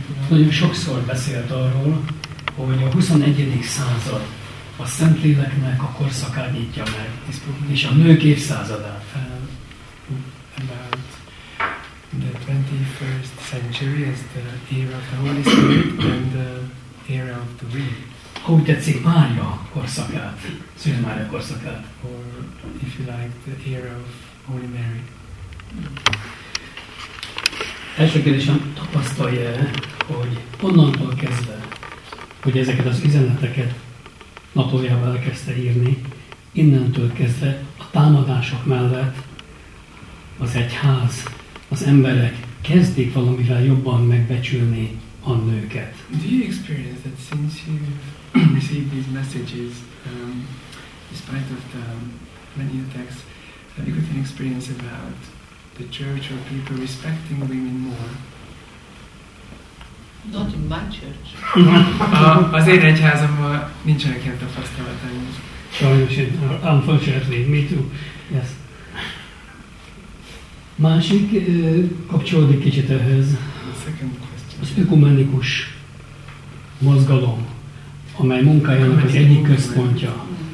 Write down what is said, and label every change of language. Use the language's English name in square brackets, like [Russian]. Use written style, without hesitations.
[Hungarian] Nagyon sokszor beszélt arról, hogy a 21. század a Szentléleknek a korszakát nyitja meg, és a nők évszázadát fel. [English] The 21st century is the era of the Holy Spirit and the era of the wheel. [Hungarian] Hogy tetszik Mária korszakát, Szűz Mária korszakát? [English] Or, if you like, the era of Holy Mary. [Hungarian] Első kérdésem, tapasztalja-e, hogy onnantól kezdve, hogy ezeket az üzeneteket naplójába elkezdte írni, innentől kezdve a támadások mellett az egyház, az emberek kezdik valamivel jobban megbecsülni a nőket. [English] Do you experience that since you received these messages, despite of the many attacks, have you got an experience about the church or people respecting women more? Not in my church. [Hungarian] Az én egyházamban nincsenek ilyen tapasztalatai. Sajnos, [English] unfortunately, me too. Yes. [Hungarian] Másik kapcsolódik kicsit ehhez. Az ökumenikus mozgalom, amely munkájának az egyik központja.